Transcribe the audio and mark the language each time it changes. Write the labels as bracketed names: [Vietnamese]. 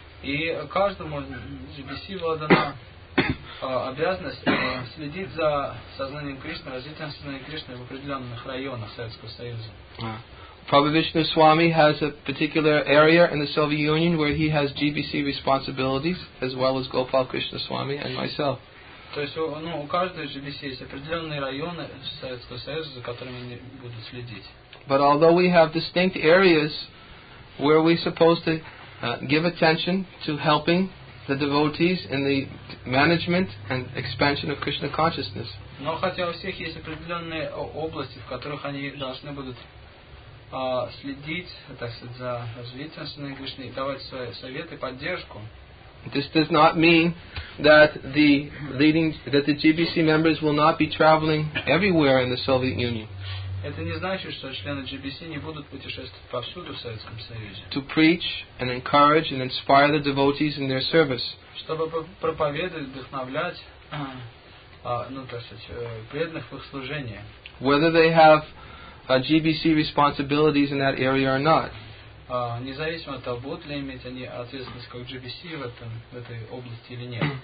[Russian] И каждому GBC была дана обязанность следить за сознанием Кришны, развитием сознания Кришны в определенных районах Советского Союза. [English] Prabhu Vishnu Swami has a particular area in the Soviet Union where he has GBC responsibilities, as well as Gopal Krishna Swami and myself. [Russian] То есть, ну, у каждой GBC есть определенные районы Советского Союза, за которыми они будут следить. [English] But although we have distinct areas where we're supposed to give attention to helping the devotees in the management and expansion of Krishna consciousness. [Russian] Но хотя у всех есть определенные области, в которых они должны будут следить, так сказать, за развитием сознания Кришны и давать свои советы, поддержку. [English] This does not mean that the leading, that the GBC members will not be traveling everywhere in the Soviet Union. [Russian] Это не значит, что члены GBC не будут путешествовать повсюду в Советском Союзе. [English] To preach and encourage and inspire the devotees in their service. [Russian] Чтобы проповедовать, вдохновлять, ну, так сказать, преданных в их служении. [English] Whether they have GBC responsibilities in that area or not. [Russian] Независимо от того, будут ли иметь они ответственность как GBC в этом, в этой области или нет.